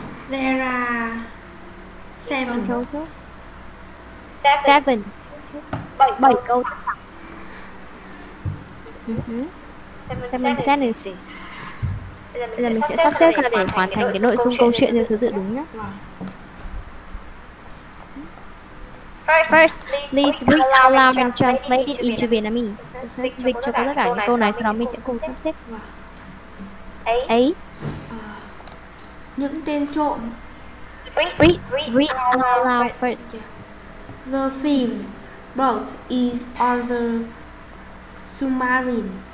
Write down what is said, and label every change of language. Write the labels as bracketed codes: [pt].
[en] There are 7 total. 7. 7 câu. Seven sentences. [vi] Bây giờ mình sẽ sắp xếp ra để hoàn thành cái nội dung câu chuyện theo thứ tự đúng nhé. [en] First, please read out loud and translate it into Vietnamese. [vi] Dịch cho tất cả những câu này, sau đó mình sẽ cùng sắp xếp. Ấy. Những tên trộm. [en] Read out loud first. The thieves' boat is on the submarine.